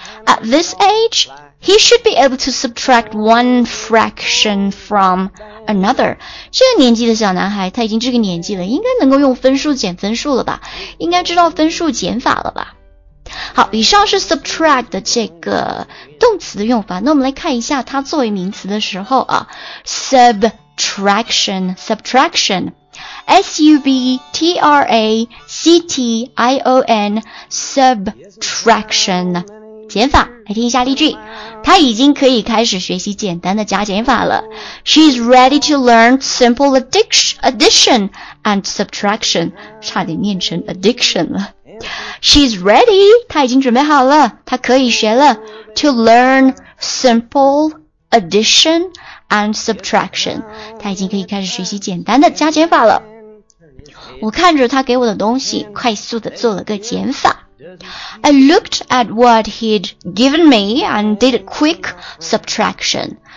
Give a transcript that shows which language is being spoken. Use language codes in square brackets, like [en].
[en] At this age he should be able to subtract one fraction from another. [zh] 这个年纪的小男孩他已经这个年纪了，应该能够用分数减分数了吧，应该知道分数减法了吧。好，以上是 subtract 的这个动词的用法。那我们来看一下它作为名词的时候啊， subtraction S-U-B-T-R-A-C-T-I-O-N subtraction 减法。来听一下例句，他已经可以开始学习简单的加减法了。 [en] She's ready to learn simple addition and subtraction， [zh] 差点念成 addiction 了。 [en] She's ready， [zh] 她已经准备好了，她可以学了。 [en] To learn simple addition and subtraction， [zh] 她已经可以开始学习简单的加减法了。我看着她给我的东西，快速地做了个减法。 [en] I looked at what he'd given me and did a quick subtraction.